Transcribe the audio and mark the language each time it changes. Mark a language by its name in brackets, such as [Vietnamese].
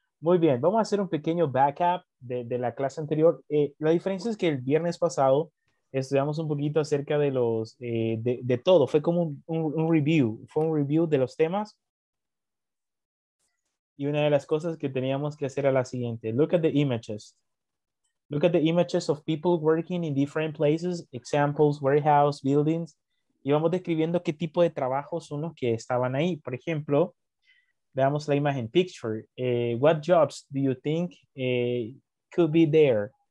[Spanish] Muy bien, vamos a hacer un pequeño backup de la clase anterior. La diferencia es que el viernes pasado estudiamos un poquito acerca de los, de todo. Fue como un review. Fue un review de los temas. Y una de las cosas que teníamos que hacer era la siguiente. [English] Look at the images. Look at the images of people working in different places. Examples, warehouse, buildings. [Spanish] Y vamos describiendo qué tipo de trabajos son los que estaban ahí. Por ejemplo, veamos la imagen. Picture. [English] What jobs do you think could be there?